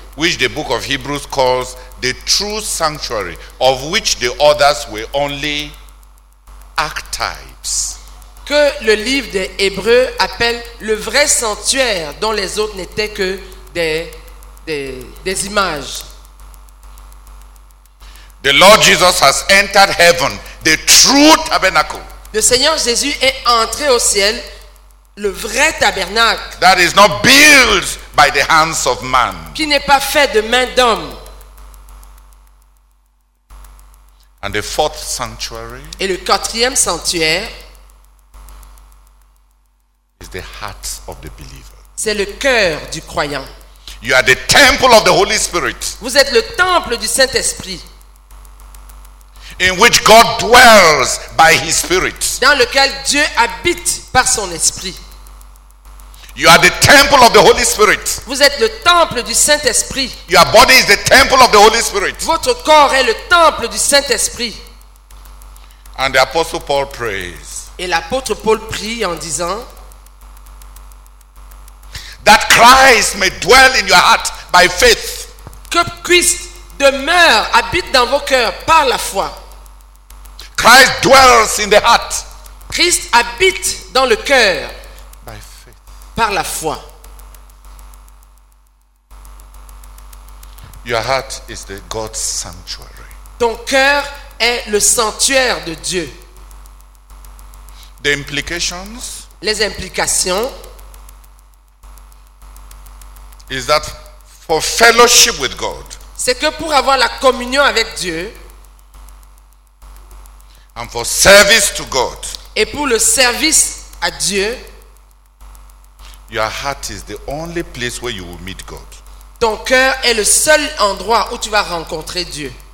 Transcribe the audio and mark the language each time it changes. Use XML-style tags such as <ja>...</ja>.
<en>Which the book of Hebrews calls the true sanctuary, of which the others were only archetypes.</en> <fr>Que le livre des Hébreux appelle le vrai sanctuaire, dont les autres n'étaient que des images.</fr> <en>The Lord Jesus has entered heaven, the true tabernacle.</en> <fr>Le Seigneur Jésus est entré au ciel, le vrai tabernacle.</fr> <en>That is not built by the hands of man.</en> <fr>Qui n'est pas fait de main d'homme.</fr> <en>And the fourth sanctuary.</en> <fr>Et le quatrième sanctuaire.</fr> <en>Is the heart of the believer.</en> <fr>C'est le cœur du croyant.</fr> <en>You are the temple of the Holy Spirit.</en> <fr>Vous êtes le temple du Saint-Esprit.</fr> <en>In which God dwells by his Spirit.</en> <fr>Dans lequel Dieu habite par son esprit.</fr> <en>You are the temple of the Holy Spirit.</en> <fr>Vous êtes le temple du Saint-Esprit.</fr> <en>Your body is the temple of the Holy Spirit.</en> <fr>Votre corps est le temple du Saint-Esprit.</fr> <en>And the apostle Paul prays.</en> <fr>Et l'apôtre Paul prie en disant</fr> <en>that Christ may dwell in your heart by faith.</en> <fr>Que Christ demeure, habite dans vos cœurs par la foi.</fr> <en>Christ dwells in the heart.</en> <fr>Christ habite dans le cœur</fr> <en>by faith.</en> <fr>Par la foi.</fr> <en>Your heart is the God's sanctuary.</en> <fr>Ton cœur est le sanctuaire de Dieu.</fr> <en>The implications.</en> <fr>Les implications.</fr> <en>Is that for fellowship with God?</en> <fr>C'est que pour avoir la communion avec Dieu.</fr> <en>And for service to God.</en> <fr>Et pour le service à Dieu.</fr> <en>Your heart is the only place where you will meet God.</en> <fr>Ton cœur est le seul endroit où tu vas rencontrer Dieu.</fr>